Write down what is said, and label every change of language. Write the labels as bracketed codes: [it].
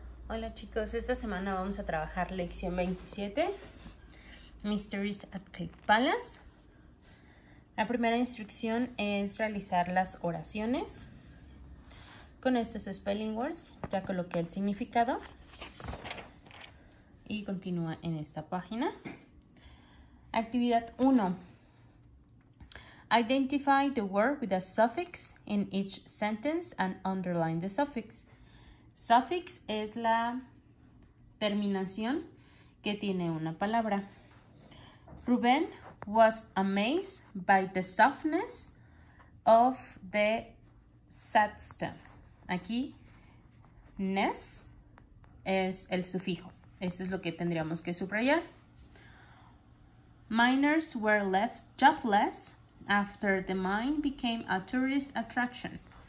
[es] Hola chicos, esta semana vamos a trabajar lección 27, Mysteries at Click Palace. La primera instrucción es realizar las oraciones con estos spelling words. Ya coloqué el significado y continúa en esta página. Actividad 1. [en] Identify the word with a suffix in each sentence and underline the suffix. [es] Suffix es la terminación que tiene una palabra. [en] Rubén was amazed by the softness of the sandstone. [es] Aquí, ness es el sufijo. Esto es lo que tendríamos que subrayar. [en] Miners were left jobless after the mine became a tourist attraction.